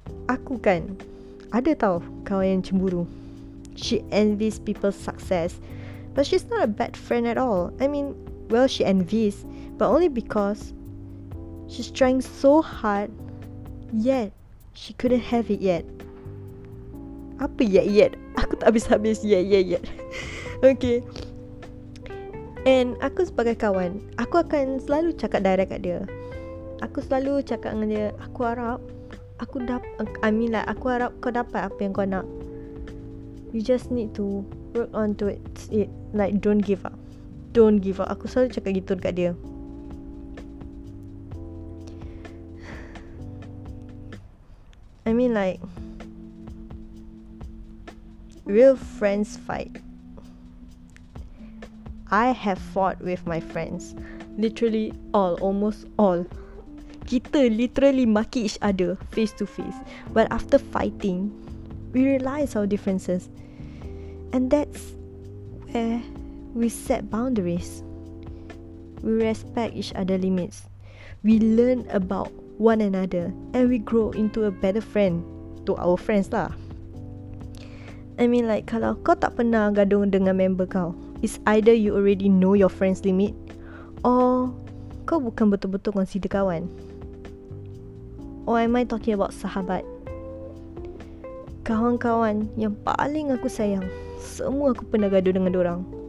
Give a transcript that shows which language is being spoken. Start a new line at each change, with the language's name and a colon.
Malay: Aku kan, ada tau kawan yang cemburu.
English: She envies people's success, but she's not a bad friend at all. I mean, well, she envies, but only because she's trying so hard, yet she couldn't have it yet.
Malay: Apa yet? Aku tak habis-habis yet. Okay. And aku sebagai kawan, aku akan selalu cakap direct kat dia. Aku selalu cakap dengan dia, aku harap aku dapat,
English: I mean like,
Malay: aku harap kau dapat apa yang kau nak.
English: You just need to work on to it. Like, don't give up. Don't give up.
Malay: Aku selalu cakap gitu dekat dia.
English: I mean like, real friends fight. I have fought with my friends. Literally all, almost all.
Malay: Kita literally maki
English: each other face to face. But after fighting, we realize our differences. And that's where we set boundaries. We respect each other's limits. We learn about one another, and we grow into a better friend to our friends lah. I mean like,
Malay: kalau kau tak pernah gaduh dengan member kau,
English: it's either you already know your friend's limit or
Malay: kau bukan betul-betul
English: consider kawan, Or am I talking about sahabat?
Malay: Kawan-kawan yang paling aku sayang, semua aku pernah gaduh dengan diorang.